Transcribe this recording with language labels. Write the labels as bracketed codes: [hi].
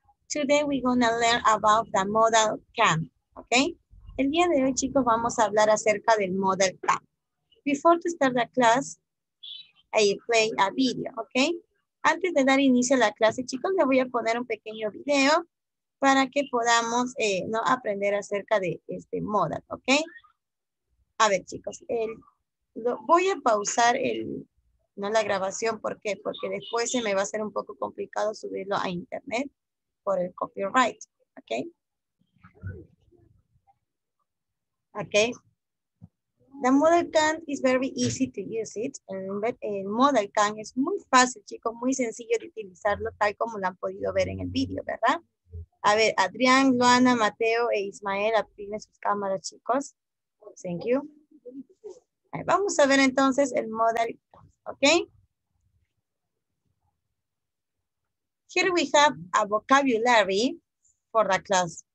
[en] Today we're going to learn about the model CAM, okay? [es] El día de hoy, chicos, vamos a hablar acerca del model CAM. [en] Before to start the class, I play a video, okay? [es] Antes de dar inicio a la clase, chicos, les voy a poner un pequeño video para que podamos ¿no? aprender acerca de este model, okay? A ver, chicos, voy a pausar no la grabación, ¿por qué? Porque después se me va a hacer un poco complicado subirlo a internet por el copyright, ¿ok? ¿Ok? [en] The model CAM is very easy to use it. [es] El model CAM es muy fácil, chicos, muy sencillo de utilizarlo, tal como lo han podido ver en el video, ¿verdad? A ver, Adrián, Luana, Mateo e Ismael, apriden sus cámaras, chicos. [en] Thank you. [es] Right, vamos a ver entonces el model CAM. [en] Okay. Here we have a vocabulary for the class.